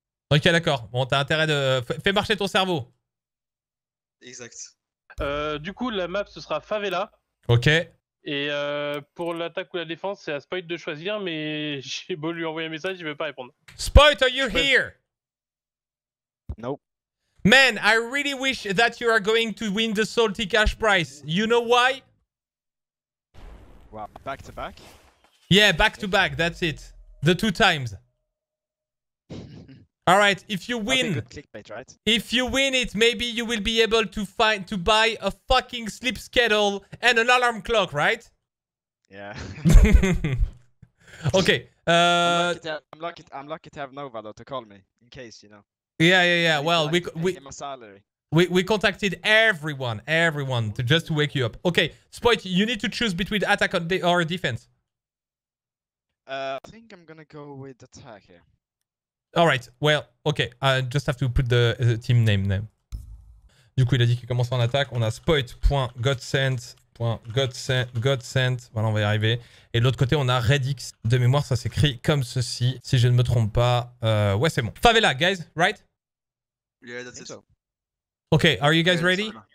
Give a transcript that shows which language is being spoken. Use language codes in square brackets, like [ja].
[fr] Ok, d'accord. Bon, t'as intérêt de... Fais marcher ton cerveau. Exact. Du coup, la map, ce sera Favela. Ok. Et pour l'attaque ou la défense, c'est à Spoit de choisir, mais j'ai beau lui envoyer un message, il veut pas répondre. [en] Spoit, are you here? No. Man, I really wish that you are going to win the Salty Cash Prize. You know why? Wow, back to back? Yeah, back to back, that's it. The two times. All right, if you win, clickbait, right? If you win it, maybe you will be able to find to buy a fucking sleep schedule and an alarm clock, right? Yeah. Okay. I'm lucky to have Nova though, to call me in case, you know. Yeah. Well, we contacted everyone to just to wake you up. Okay, Spoit, you need to choose between attack or defense. I think I'm gonna go with attack here. All right. Well, okay. I just have to put the team name. [fr] Du coup, il a dit qu'il commence en attaque. On a spoit.godsend. Voilà, on va y arriver. Et de l'autre côté, on a Redix. De mémoire, ça s'écrit comme ceci, si je ne me trompe pas. Ouais, c'est bon. Favela, [en] guys, right? Yeah, that's it. Okay, are you guys ready?